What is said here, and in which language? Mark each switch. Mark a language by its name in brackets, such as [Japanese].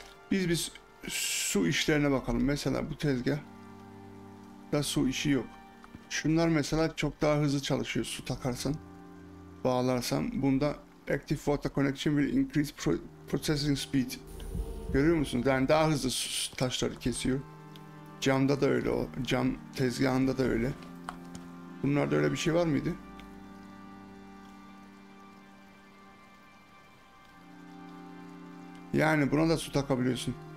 [Turkish] Biz su işlerine bakalım. Mesela bu tezgah da su işi yok. Şunlar mesela çok daha hızlı çalışıyor. Su takarsan, bağlarsan. [English] Bunda active water connection will increase processing speed. [Turkish] Görüyor musunuz? Yani daha hızlı taşları kesiyor. Camda da öyle o. Cam tezgahında da öyle. Bunlarda öyle bir şey var mıydı? Yani buna da su takabiliyorsun.